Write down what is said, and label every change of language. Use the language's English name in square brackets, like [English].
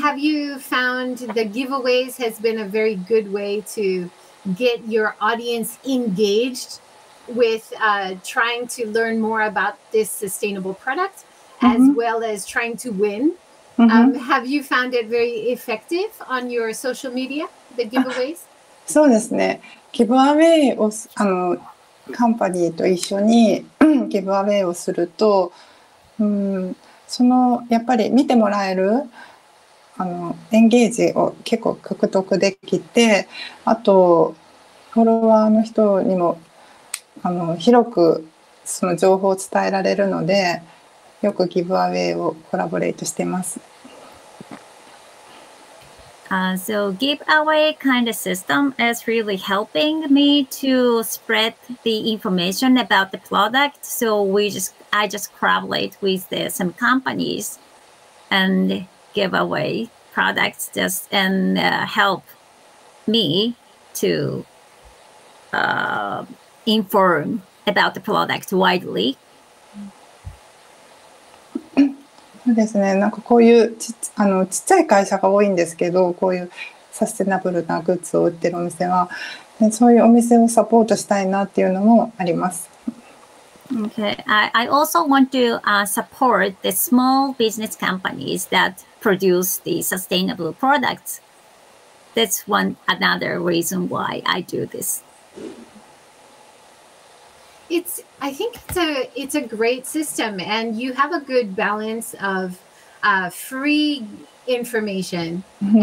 [English] Have you found the giveaways has been a very good way to get your audience engaged with trying to learn more about this sustainable product mm-hmm. as well as trying to win? Mm-hmm. Have you found it very effective on your social media, the giveaways? [Japanese] そうですね。ギブアウェイをカンパニーと一緒にギブアウェイをすると、やっぱり見てもらえるエンゲージを結構獲得できて、あとフォロワーの人にも広くその情報を伝えられるので、よくギブアウェイをコラボレートしてます。 [English] So give away kind of system is really helping me to spread the information about the product. So I just collaborate with some companies andgive away products just and help me to inform about the product widely. [Japanese] そうですね。なんかこういうちっちゃい会社が多いんですけど、こういうサステナブルなグッズを売ってるお店は、そういうお店をサポートしたいなっていうのもあります。 [English] Okay. I also want to support the small business companies that produce the sustainable products. That's another reason why I do this. I think it's a great system, and you have a good balance of free information mm-hmm.